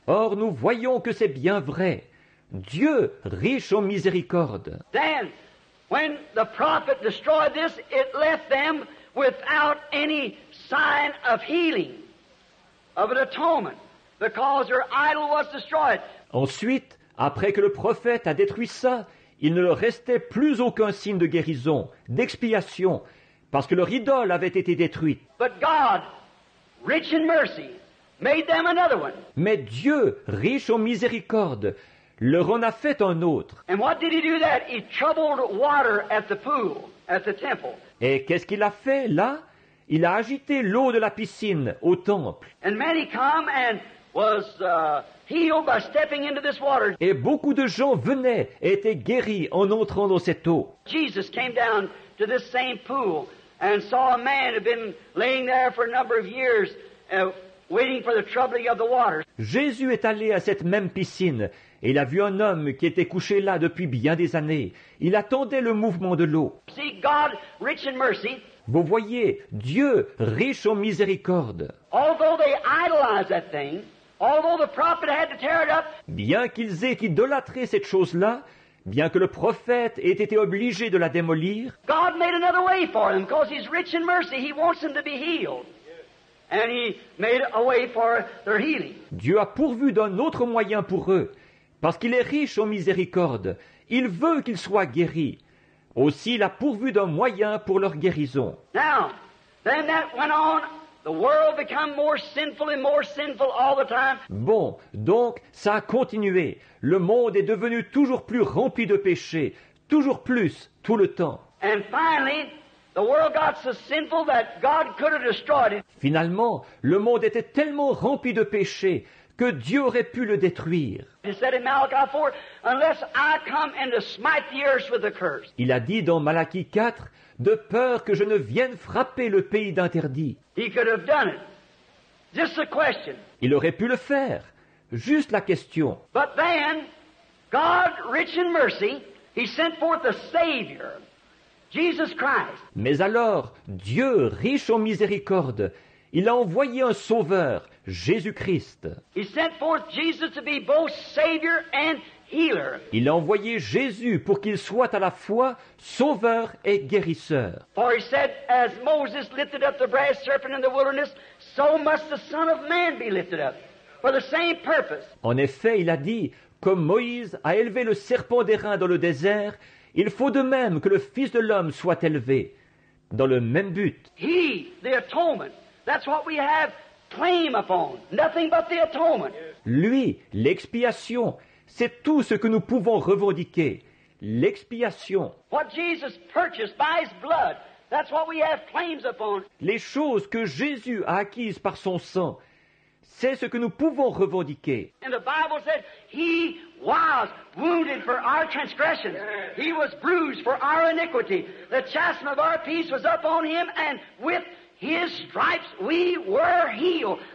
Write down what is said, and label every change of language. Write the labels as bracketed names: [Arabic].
[French] Or, nous voyons que c'est bien vrai. Dieu, riche en miséricorde. [English] Then, when the prophet destroyed this, it left them without any sign of healing, of an atonement, because their idol was destroyed. [French] Ensuite, après que le prophète a détruit ça, il ne leur restait plus aucun signe de guérison, d'expiation, parce que leur idole avait été détruite. [English] But God, rich in mercy, made them another one. [French] Mais Dieu, riche en miséricorde, leur en a fait un autre. [English] And what did he do that? He troubled water at the pool, at the temple. [French] Et qu'est-ce qu'il a fait là? Il a agité l'eau de la piscine au temple. [English] And many come and was healed by stepping into this water. [French] Et beaucoup de gens venaient et étaient guéris en entrant dans cette eau. [English] Jesus came down to this same pool and saw a man who had been laying there for a number of years waiting for the troubling of the waters. [French] Jésus est allé à cette même piscine. Et il a vu un homme qui était couché là depuis bien des années. Il attendait le mouvement de l'eau. [English] See, God, rich in mercy, [French] vous voyez, Dieu, riche en miséricorde. [English] Although they idolized that thing, although the prophet had to tear it up, [French] bien qu'ils aient idolâtré cette chose-là, bien que le prophète ait été obligé de la démolir, [English] God made another way for them because He's rich in mercy. He wants them to be healed. And He made a way for their healing. [French] Dieu a pourvu d'un autre moyen pour eux. parce qu'il est riche en miséricorde. Il veut qu'ils soient guéris. Aussi, il a pourvu d'un moyen pour leur guérison. [English] Now, then that went on. The world became more sinful and more sinful all the time. [French] Bon, donc, ça a continué. Le monde est devenu toujours plus rempli de péchés, toujours plus, tout le temps. [English] And finally, the world got so sinful that God could have destroyed it. [French] Finalement, le monde était tellement rempli de péchés que Dieu aurait pu le détruire. [English] He said in Malachi 4, unless I come and to smite the earth with a curse. [French] Il a dit dans Malachi 4, de peur que je ne vienne frapper le pays d'interdit. [English] He could have done it. Just a question. [French] Il aurait pu le faire. Juste la question. [English] But then, God, rich in mercy, he sent forth a Savior, Jesus Christ. [French] Mais alors, Dieu, riche en miséricorde, il a envoyé un Sauveur, Jésus-Christ. [English] He sent forth Jesus to be both Savior and Healer. [French] Il a envoyé Jésus pour qu'il soit à la fois Sauveur et Guérisseur. [English] For he said, as Moses lifted up the brass serpent in the wilderness, so must the Son of Man be lifted up, for the same purpose. [French] En effet, il a dit, comme Moïse a élevé le serpent d'airain dans le désert, il faut de même que le Fils de l'homme soit élevé, dans le même but. [English] He, the atonement, that's what we have claim upon, nothing but the atonement. [French] Lui, l'expiation, c'est tout ce que nous pouvons revendiquer, l'expiation. [English] What Jesus purchased by his blood, that's what we have claims upon. [French] Les choses que Jésus a acquises par son sang, c'est ce que nous pouvons revendiquer. [English] And the Bible said, he was wounded for our transgressions. He was bruised for our iniquity. The chastisement of our peace was upon him, and with his stripes we were healed.